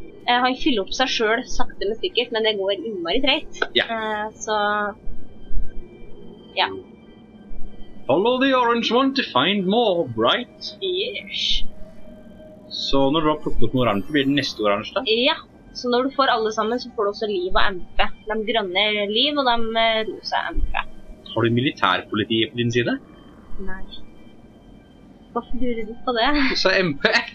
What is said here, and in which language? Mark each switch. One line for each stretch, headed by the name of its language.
Norwegian: Han fyller opp seg selv, sakte men sikkert, men det går innmari treit. Ja. Så... Ja.
English: Follow the orange one to find more, right? Yes.
Norwegian: Så når du har plukket noe oransje, blir det neste oransje da? Ja, så når du får alle sammen, så får du også liv og MP. De grønne er liv, og de rosa er MP. Har du militærpolitiet på din side? Nei. Hvorfor lurer du på det? Du sa MP.